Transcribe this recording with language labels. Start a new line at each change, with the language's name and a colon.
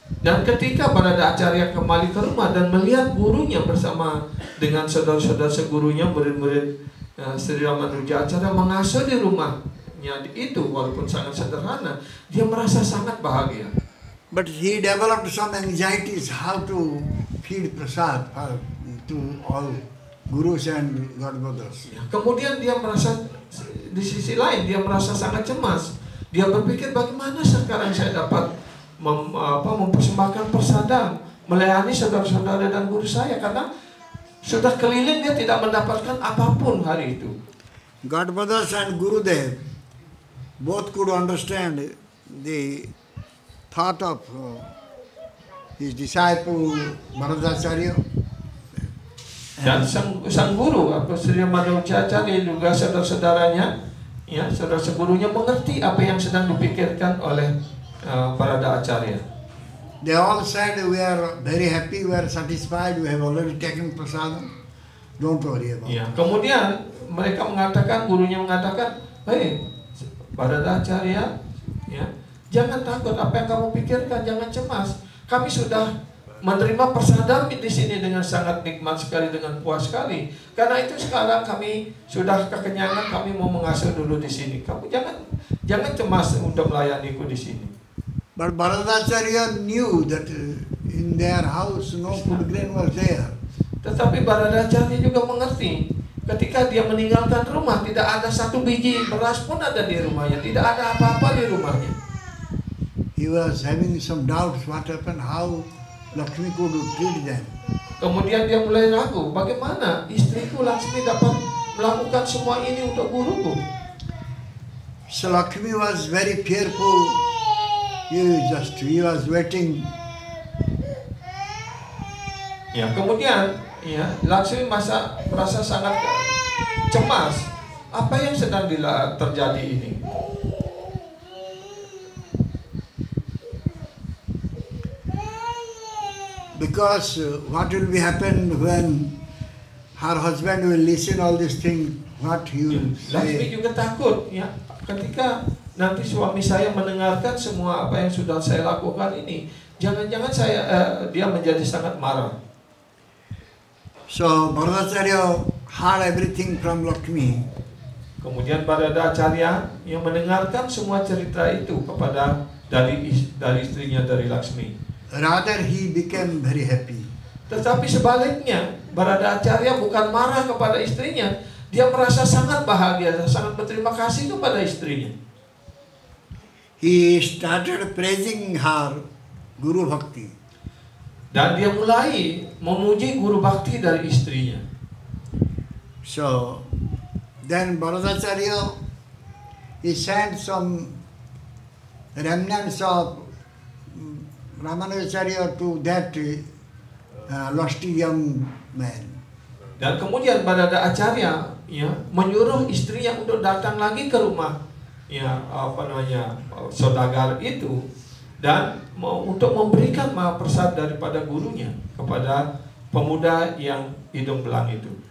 Indonesian: Dan ketika Radha Acharya kembali ke rumah dan melihat gurunya bersama dengan saudara-saudara segurunya, murid-murid Sri Ramanuja Acharya mengasuh di rumahnya itu, walaupun sangat sederhana, dia merasa sangat bahagia.
English: But he developed some anxieties how to feed prasad to all gurus and godbrothers.
Indonesian: Kemudian dia merasa, di sisi lain dia merasa sangat cemas. Dia berpikir bagaimana sekarang saya dapat mempersembahkan persada, melayani saudara-saudara dan guru saya, karena sudah keliling dia tidak mendapatkan apapun hari itu.
English: Godbrothers and Gurudev both could understand the thought of his disciple Radha Acharya.
Indonesian: Dan sang guru apa Sri Ramanuja Acharya juga saudara-saudaranya, ya saudara-saudarunya mengerti apa yang sedang dipikirkan oleh Radha Acharya.
English: They all said we are very happy, we are satisfied, we have already taken prasadam. Don't worry about it.
Indonesian: Ya, kemudian mereka mengatakan, gurunya mengatakan, hey, Radha Acharya, ya, jangan takut apa yang kamu pikirkan, jangan cemas. Kami sudah menerima prasadam di sini dengan sangat nikmat sekali, dengan puas sekali. Karena itu sekarang kami sudah kekenyangan, kami mau mengasuh dulu di sini. Kamu jangan cemas untuk melayaniku di sini.
English: But Radha Acharya knew that in their house no food grain was there.
Indonesian: Tetapi Radha Acharya juga mengerti, ketika dia meninggalkan rumah, tidak ada satu biji beras pun ada di rumahnya, tidak ada apa-apa di rumahnya.
English: He was having some doubts what happened, how Lakshmi could treat them.
Indonesian: Kemudian dia mulai ragu, bagaimana istriku Lakshmi dapat melakukan semua ini untuk guruku.
English: So Lakshmi was very fearful. He was waiting.
Indonesian: Ya, kemudian, ya, Lakshmi merasa sangat cemas. Apa yang sedang terjadi ini?
English: Because what will be happen when her husband will listen all these things what you ya, say?
Indonesian: Lakshmi juga takut, ya, ketika nanti suami saya mendengarkan semua apa yang sudah saya lakukan ini, jangan-jangan dia menjadi sangat marah.
English: So Radha Acharya heard everything from Lakshmi.
Indonesian: Kemudian Radha Acharya yang mendengarkan semua cerita itu kepada dari istrinya, dari Lakshmi.
English: Rather he became very happy.
Indonesian: Tetapi sebaliknya, Radha Acharya bukan marah kepada istrinya, dia merasa sangat bahagia, sangat berterima kasih kepada istrinya.
English: He started praising her guru bhakti.
Indonesian: Dan dia mulai memuji guru bhakti dari istrinya.
English: So then Radha Acharya, he sent some remnants of Ramanuja Acharya to that lusty young man.
Indonesian: Dan kemudian Radha Acharya, ya, menyuruh istrinya untuk datang lagi ke rumah, ya, apa namanya, saudagar itu, dan untuk memberikan mahaprasad daripada gurunya kepada pemuda yang hidung belang itu.